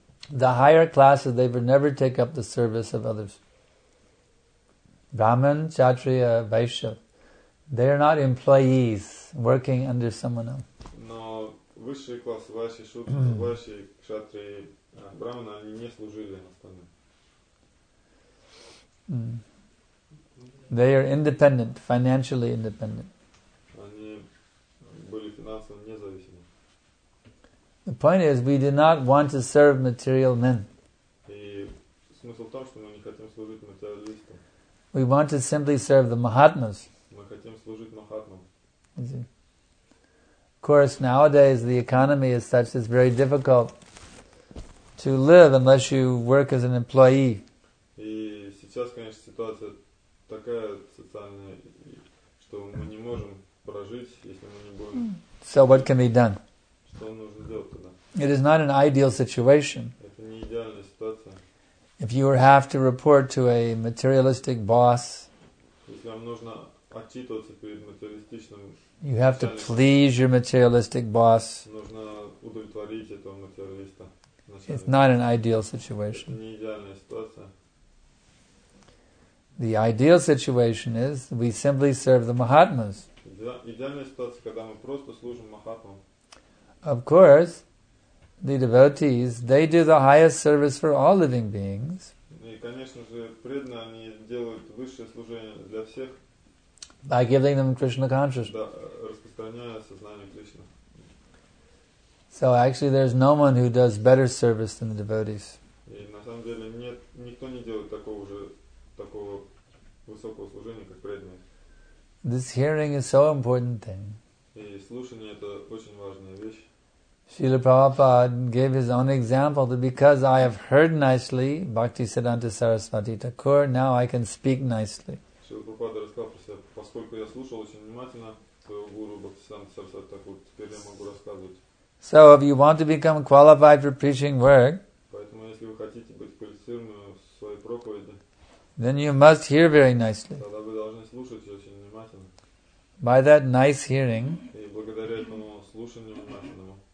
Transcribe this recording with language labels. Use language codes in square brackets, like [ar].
[en] The higher classes, they would never take up the service of others. Brahman, Kshatriya, Vaishya, they are not employees working under someone else. [ru] Но высшие классы, ваши шудры, ваши кшатрии, брахманы, они не служили остальным. [en] They are independent, financially independent. [ru] Они были финансово независимы. [en] The point is, we do not want to serve material men. [ru] И смысл в том, что мы не хотим служить материалистам. [en] We want to simply serve the Mahatmas. [ru] Мы хотим служить Махатмам. [en] Of course, nowadays the economy is such that it's very difficult to live unless you work as an employee. [ru] И сейчас, конечно, ситуация такая социальная, что мы не можем прожить, если мы не будем. [en] So what can be done? [ru] Что нужно делать тогда? [en] It is not an ideal situation. [ru] Это не идеальная ситуация. [en] If you have to report to a materialistic boss, [ru] если вам нужно отчитываться перед материалистичным, [en] you have to please your materialistic boss. [ru] Нужно удовлетворить этого материалиста. [en] It's not an ideal situation. [ru] Это не идеальная ситуация. [en] The ideal situation is we simply serve the Mahatmas. [ru] Идеальная ситуация, когда мы просто служим Махатмам. [en] Of course, the devotees, they do the highest service for all living beings. [ru] И, конечно же, преданные, они делают высшее служение для всех. [en] By giving them Krishna consciousness. [ru] Да, распространяя сознание Кришны. [en] So actually there's no one who does better service than the devotees. [ru] И на самом деле нет, никто не делает такого высокого служения, как преданные. [en] This hearing is so important thing. [ru] И слушание это очень важная вещь. [en] Srila Prabhupada gave his own example that because I have heard nicely Bhakti Siddhanta Sarasvati Thakur, now I can speak nicely. [ru] Srila Prabhupada рассказал про себя, поскольку я слушал очень внимательно своего гуру Бхакти Сиддханта Сарасвати Такур, теперь я могу рассказывать. [en] So if you want to become qualified for preaching work, [ru] поэтому если вы хотите быть квалифицированным в своей проповеди, [en] then you must hear very nicely. [ru] Тогда вы должны слушать очень внимательно. [en] By that nice hearing, [ru] и благодаря этому слушанию внимательному,